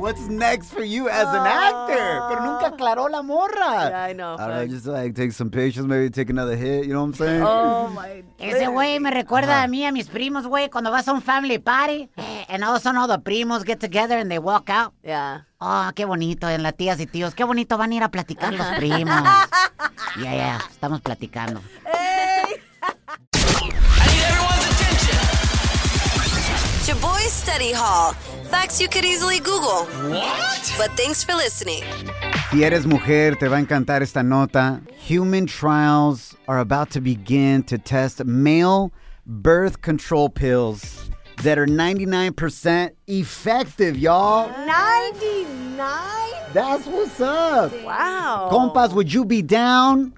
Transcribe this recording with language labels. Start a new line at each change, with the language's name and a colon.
English: What's next for you as an actor?
Spanish: Pero nunca aclaró la morra.
English: Yeah, I know. I don't know. Just like take some pictures, maybe take another hit. You know what I'm saying? Oh, my.
Spanish: Ese güey me recuerda a mí, a mis primos, güey, cuando vas a un
English: family party. And all of a sudden, all the primos get together and they walk out. Yeah.
Spanish: Oh, qué bonito. En las tías y tíos. Qué bonito van a ir a platicar los primos. Yeah, yeah. Estamos platicando.
English: Boys Study Hall. Facts you could easily Google. What? But thanks for listening.
Spanish: Si eres mujer, te va a encantar esta nota.
English: Human trials are about to begin to test male birth control pills that are 99% effective, y'all. 99? That's what's up. Wow. Compas, would you be down?